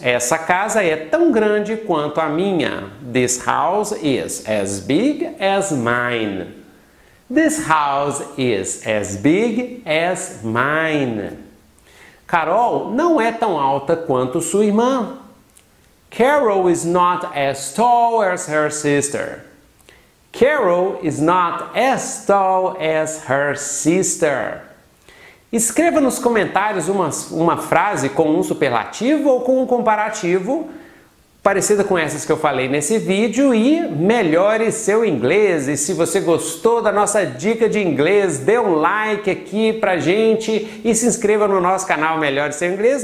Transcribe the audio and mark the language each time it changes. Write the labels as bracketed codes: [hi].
[pt] Essa casa é tão grande quanto a minha. [en] This house is as big as mine. This house is as big as mine. [pt] Carol não é tão alta quanto sua irmã. [en] Carol is not as tall as her sister. Carol is not as tall as her sister. [pt] Escreva nos comentários uma frase com um superlativo ou com um comparativo parecida com essas que eu falei nesse vídeo e melhore seu inglês. E se você gostou da nossa dica de inglês, dê um like aqui pra gente e se inscreva no nosso canal Melhore Seu Inglês.